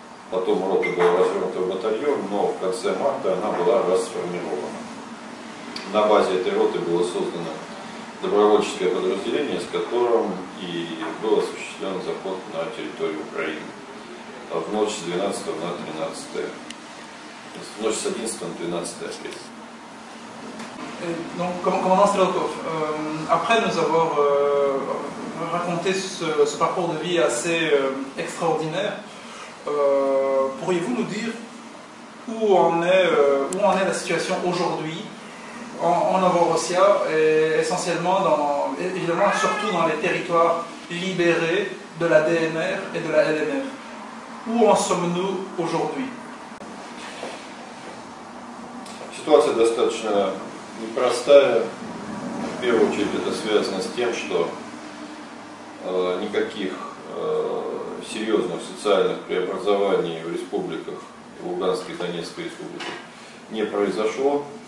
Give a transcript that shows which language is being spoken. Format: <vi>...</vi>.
<ru>Потом рота была развернута в батальон, но в конце марта она была расформирована. На базе этой роты было создано добровольческое подразделение, с которым и был осуществлен заход на территорию Украины в ночь с 12 на 13. В ночь с 11 на 12 апреля.</ru> <fr>Donc, commandant Strelkov, après nous avoir raconté ce parcours de vie assez extraordinaire, pourriez-vous nous dire où en est la situation aujourd'hui en Novorossiya et essentiellement, évidemment, surtout dans les territoires libérés de la DNR et de la LNR? Où en sommes-nous aujourd'hui?</fr> <ru>Situation достаточно непростая. В первую очередь это связано с тем, что никаких серьезных социальных преобразований в республиках Луганской и Донецкой республики не произошло.</ru>